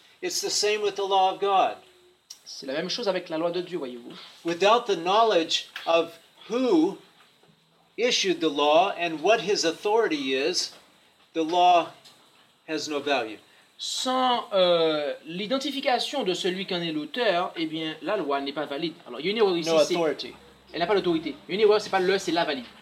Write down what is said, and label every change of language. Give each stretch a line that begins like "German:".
English: It's the same with the law of God.
French: C'est la même chose avec la loi de Dieu, voyez-vous.
English: Without the knowledge of who issued the law and what his authority is, the law has no value.
French: Sans l'identification de celui qui en est l'auteur, eh bien, la loi n'est pas valide. Alors, il y a une erreur ici.
English: No authority.
French: Elle n'a pas l'autorité. Il y a une erreur, c'est pas le, c'est la valide.